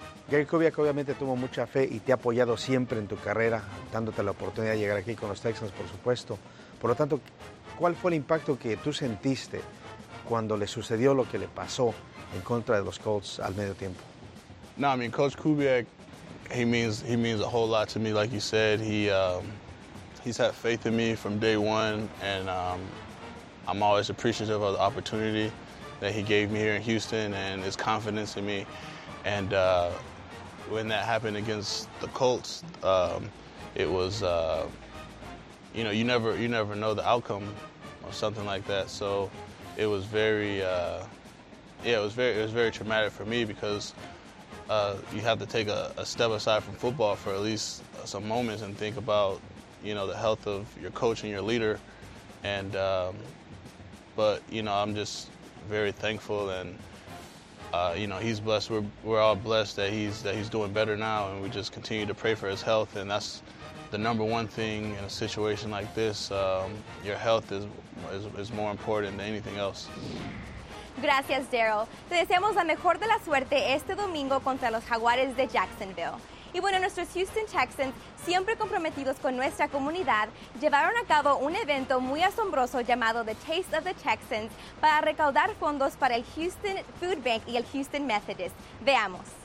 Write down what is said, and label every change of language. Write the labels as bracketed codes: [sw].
[es] Gary Kubiak obviamente tuvo mucha fe y te ha apoyado siempre en tu carrera, dándote la oportunidad de llegar aquí con los Texans, por supuesto. Por lo tanto, ¿cuál fue el impacto que tú sentiste cuando le sucedió lo que le pasó en contra de los Colts al medio tiempo? [en] No, I mean, Coach Kubiak, he means a whole lot to me, like you said. He's had faith in me from day one, and I'm always appreciative of the opportunity that he gave me here in Houston and his confidence in me. And when that happened against the Colts, it was, you know, you never know the outcome of something like that. So it was very traumatic for me, because you have to take a step aside from football for at least some moments and think about, you know, the health of your coach and your leader. And, but, you know, I'm just very thankful, and you know, he's blessed. We're all blessed that he's doing better now, and we just continue to pray for his health. And that's the number one thing in a situation like this. Your health is more important than anything else. [es] Gracias, Daryl. Te deseamos la mejor de la suerte este domingo contra los Jaguares de Jacksonville. Y bueno, nuestros Houston Texans, siempre comprometidos con nuestra comunidad, llevaron a cabo un evento muy asombroso llamado The Taste of the Texans para recaudar fondos para el Houston Food Bank y el Houston Methodist. Veamos.